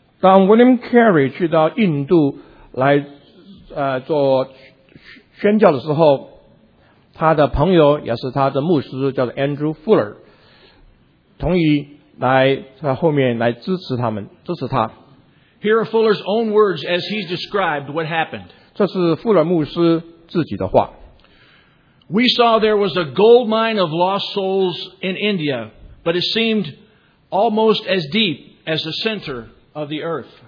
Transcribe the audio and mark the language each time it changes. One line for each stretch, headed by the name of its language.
Chinese: 当 William Carey 去到印度来做宣教的时候。他的朋友也是他的牧师，叫做 Andrew Fuller，同意来在后面来支持他们，支持他。
English: Here are Fuller's own words as he described what happened.
Chinese: 这是富勒牧师自己的话。
English: We saw there was a gold mine of lost souls in India, but it seemed almost as deep as the center of the earth.